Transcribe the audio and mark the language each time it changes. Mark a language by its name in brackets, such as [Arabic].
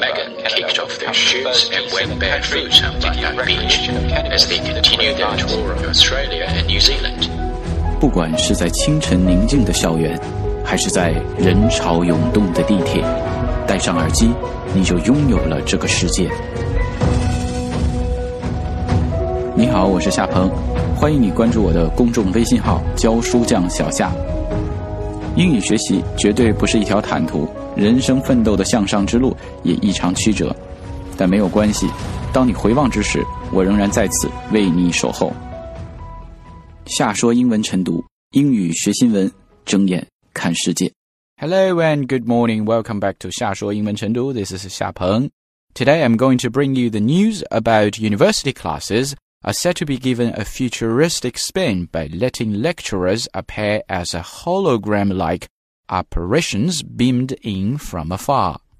[English] Megan kicked off their shoots and went barefoot on Bondi Beach as they continued their tour of Australia and New Zealand. [Chinese] 不管是在清晨宁静的校园，还是在人潮涌动的地铁，戴上耳机，你就拥有了这个世界。你好，我是夏鹏，欢迎你关注我的公众微信号教书匠小夏。英语学习绝对不是一条坦途，人生奋斗的向上之路也异常曲折，但没有关系，当你回望之时，我仍然在此为你守候。夏说英文晨读，英语学新闻，睁眼看世界。 [English] Hello and good morning, welcome back to 夏说英文晨读。This is 夏鹏。 Today I'm going to bring you the news about university classesare set to be given a futuristic spin by letting lecturers appear as a hologram-like apparitions beamed in from afar.